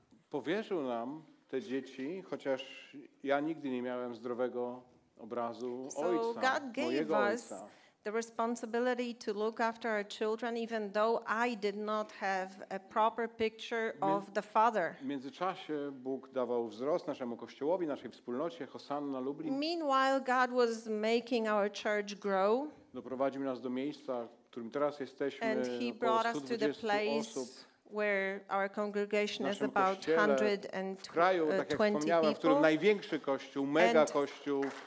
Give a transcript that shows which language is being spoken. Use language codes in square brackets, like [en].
[pl] Powierzył nam te dzieci, chociaż ja nigdy nie miałem zdrowego obrazu ojca, [en] so God gave us the responsibility to look after our children, even though I did not have a proper picture of the father. [pl] W międzyczasie Bóg dawał wzrost naszemu kościołowi, naszej wspólnocie Hosanna Lublin. [en] Meanwhile, God was making our church grow. [pl] Doprowadził nas do miejsca, w którym teraz jesteśmy. [en] And he brought us to the place where our congregation is about 120 people. [pl] W którym największy kościół, mega kościół.